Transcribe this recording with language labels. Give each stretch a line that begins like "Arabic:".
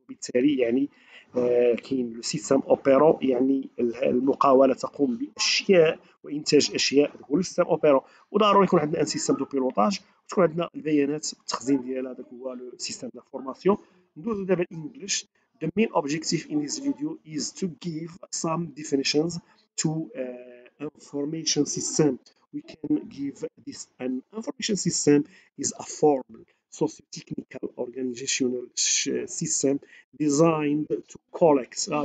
Arabic: وبالتالي يعني كاين
French: لو سيستم اوبيرون،
Arabic: يعني المقاوله تقوم باشياء وانتاج اشياء، هو لو سيستم اوبيرون. وضروري يكون عندنا
French: ان سيستم دو بيلوطاج،
Arabic: وتكون عندنا البيانات والتخزين ديالها، هذاك هو
French: لو سيستم دو فورماسيون.
Arabic: ندوزو دابا الانجليش.
English: The main objective in this video is to give some definitions to information system. We can give this an information system is a formal socio-technical organizational system designed to collect